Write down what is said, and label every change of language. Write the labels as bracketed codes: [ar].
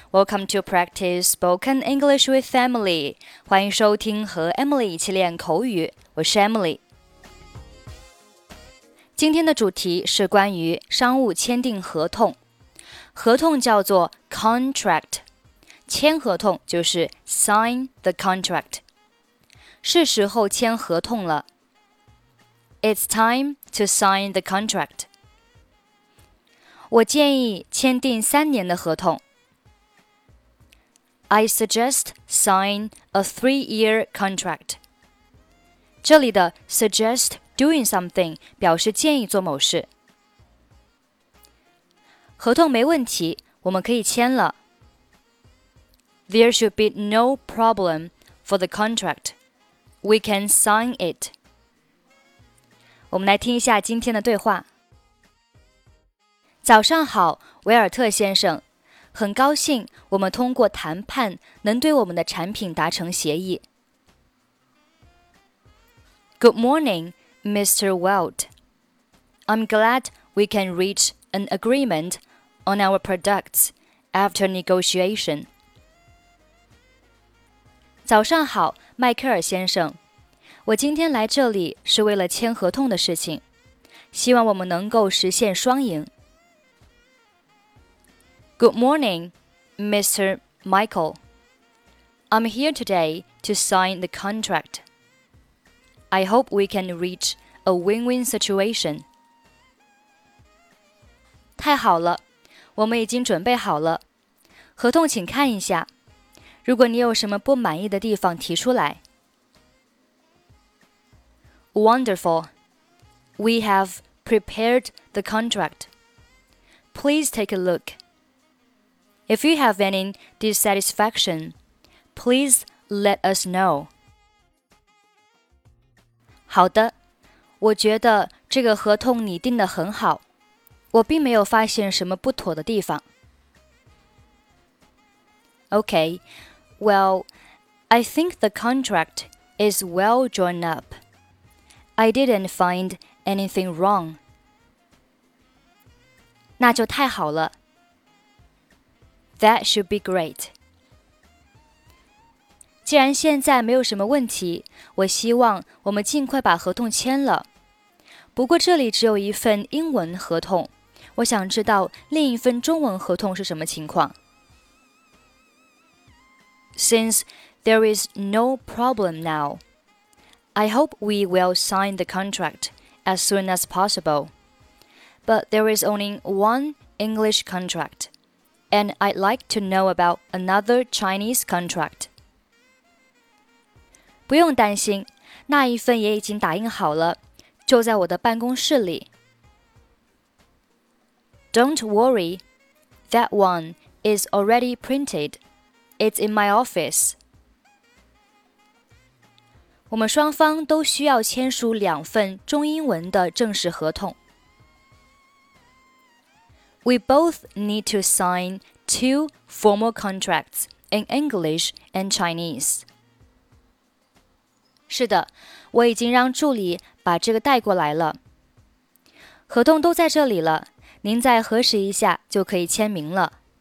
[en] Welcome to Practice Spoken English with Emily. [zh] 欢迎收听和 Emily 一起练口语。我是 Emily。今天的主题是关于商务签订合同。合同叫做 contract。签合同就是 [en] sign the contract。 [zh] 是时候签合同了。 [en] It's time to sign the contract. [zh] 我建议签订三年的合同。 [en] I suggest sign a three-year contract. [zh] 这里的 [en] suggest doing something [zh] 表示建议做某事。合同没问题，我们可以签了。 [en] There should be no problem for the contract. We can sign it. [zh] 我们来听一下今天的对话。早上好，维尔特先生，很高兴我们通过谈判能对我们的产品达成协议。 [en] Good morning, Mr. Welt. I'm glad we can reach an agreement on our products after negotiation. [zh] 早上好，迈克尔先生，我今天来这里是为了签合同的事情，希望我们能够实现双赢。 [en] Good morning, Mr. Michael. I'm here today to sign the contract. I hope we can reach a win-win situation. [zh] 太好了，我们已经准备好了。合同请看一下。如果你有什么不满意的地方提出来。 [en] Wonderful. We have prepared the contract. Please take a look. If you have any dissatisfaction, please let us know. [zh] 好的，我觉得这个合同拟定得很好，我并没有发现什么不妥的地方。 [en] Okay, well, I think the contract is well drawn up. I didn't find anything wrong. [zh] 那就太好了。 [en] That should be great. [zh] 既然现在没有什么问题，我希望我们尽快把合同签了。不过这里只有一份英文合同，我想知道另一份中文合同是什么情况。 [en] Since there is no problem now, I hope we will sign the contract as soon as possible. But there is only one English contract. And I'd like to know about another Chinese contract. [zh] 不用担心，那一份也已经打印好了，就在我的办公室里。 [en] Don't worry, that one is already printed. It's in my office. [zh] 我们双方都需要签署两份中英文的正式合同。 [en] We both need to sign two formal contracts in English and Chinese. [zh] 是的，我已经让助理把这个带过来了。合同都在这里了，您再核实一下就可以签名了。